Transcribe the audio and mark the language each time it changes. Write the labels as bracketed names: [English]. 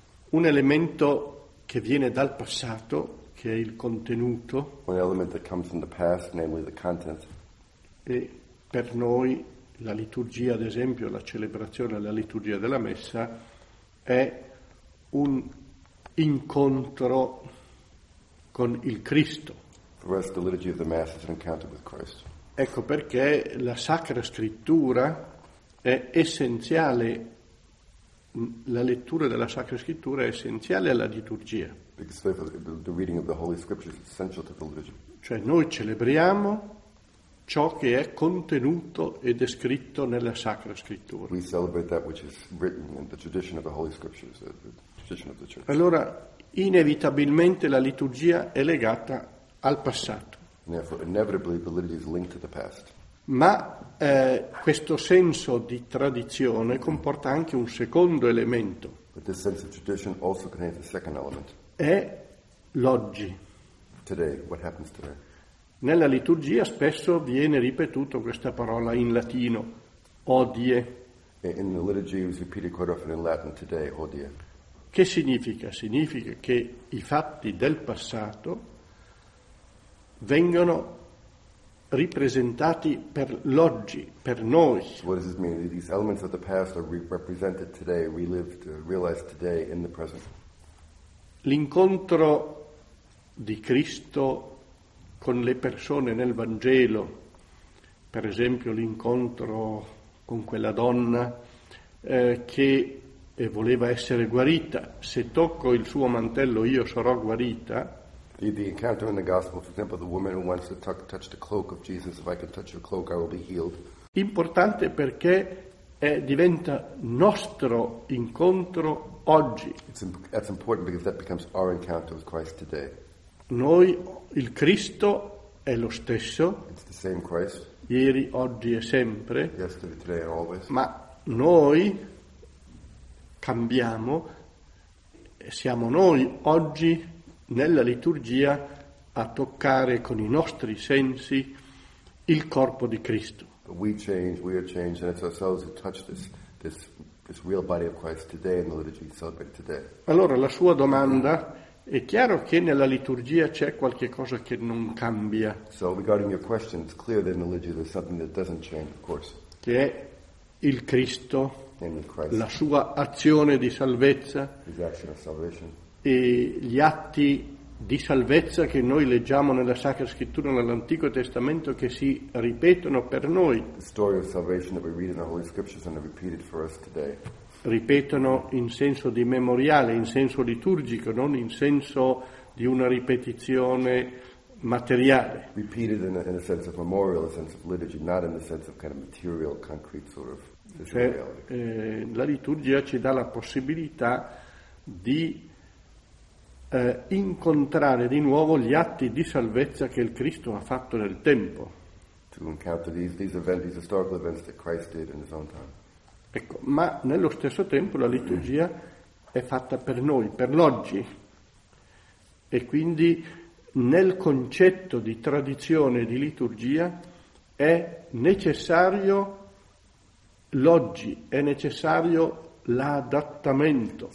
[Italian] Un elemento che viene dal passato, che è il contenuto. [English] One element that comes from the past, namely the content. [Italian] E per noi la liturgia, ad esempio, la celebrazione della liturgia della Messa, è un incontro con il Cristo. [English] For us, the liturgy of the Mass is an encounter with Christ. [Italian] Ecco perché la Sacra Scrittura è essenziale, la lettura della Sacra Scrittura è essenziale alla liturgia. [English] Because the reading of the Holy Scripture is essential to the liturgy. [Italian] Cioè noi celebriamo ciò che è contenuto e descritto nella Sacra Scrittura. [English] We celebrate that which is written in the tradition of the Holy Scriptures, the tradition of the Church. [Italian] Allora, inevitabilmente la liturgia è legata al passato. [English] Therefore, inevitably, the liturgy is linked to the past. [Italian] Ma questo senso di tradizione comporta anche un secondo elemento. [English] But this sense of tradition also contains a second element. [Italian] È l'oggi. [English] Today, what happens today? [Italian] Nella liturgia spesso viene ripetuto questa parola in latino, odie. [English] In the liturgy it was repeated quite often in Latin today, odie. [Italian] Che significa? Significa che i fatti del passato vengono rappresentati per l'oggi, per noi. [English] What does this mean? These elements of the past are represented today, relived, realized today in the present. [Italian] L'incontro di Cristo con le persone nel Vangelo, per esempio l'incontro con quella donna che voleva essere guarita. Se tocco il suo mantello io sarò guarita. [English] The encounter in the Gospel, for example, the woman who wants to touch the cloak of Jesus, if I can touch your cloak I will be healed. [Italian] Importante perché diventa nostro incontro oggi. [English] That's important because that becomes our encounter with Christ today. [Italian] Noi, il Cristo è lo stesso, [English] it's the same Christ, [Italian] ieri, oggi e sempre, [English] yesterday, today and always. [Italian] Ma noi cambiamo, siamo noi oggi nella liturgia a toccare con i nostri sensi il corpo di Cristo. [English] But we change, we are changed, and it's ourselves who touch this real body of Christ today in the liturgy celebrated today. [Italian] Allora la sua domanda. È chiaro che nella liturgia c'è qualche cosa che non cambia. [English] So regarding your question, it's clear that in the liturgy there's something that doesn't change, of course. [Italian] Che è il Cristo, [English] namely Christ, [Italian] la sua azione di salvezza, [English] his action of salvation, [Italian] e gli atti di salvezza che noi leggiamo nella Sacra Scrittura nell'Antico Testamento che si ripetono per noi. [English] The story of salvation that we read in the Holy Scriptures and are repeated for us today. [Italian] Ripetono in senso di memoriale, in senso liturgico, non in senso di una ripetizione materiale. [English] Repeated in a sense of memorial, a sense of liturgy, not in the sense of kind of material, concrete sort of physical. [Italian] Cioè, la liturgia ci dà la possibilità di incontrare di nuovo gli atti di salvezza che il Cristo ha fatto nel tempo. [English] To encounter these events, these historical events that Christ did in his own time. [Italian] Ecco, ma nello stesso tempo la liturgia è fatta per noi, per l'oggi, e quindi nel concetto di tradizione di liturgia è necessario l'oggi, è necessario l'adattamento.